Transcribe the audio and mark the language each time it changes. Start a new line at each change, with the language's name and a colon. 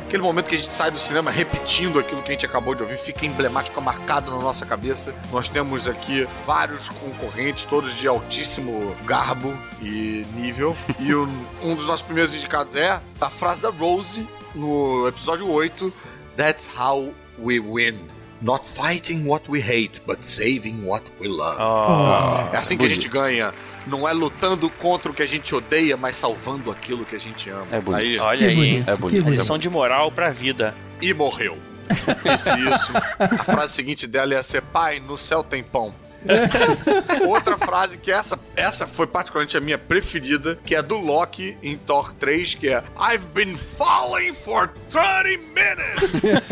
Portuguese: Aquele momento que a gente sai do cinema repetindo aquilo que a gente acabou de ouvir, fica emblemático, marcado na nossa cabeça. Nós temos aqui vários concorrentes, todos de altíssimo garbo e nível. E um dos nossos primeiros indicados é a frase da Rose no episódio 8:
English: That's how we win. Not fighting what we hate, but saving what we love. Oh.
Portuguese: É assim que a gente ganha. Não é lutando contra o que a gente odeia, mas salvando aquilo que a gente ama. É bonito. Aí. Olha que aí, bonito. É lição de moral pra vida. E morreu. Pense isso. A frase seguinte dela ia ser: pai, no céu tem pão. Outra frase que essa foi particularmente a minha preferida, que é do Loki em Thor 3, que é:
English: I've been falling for 30 minutes.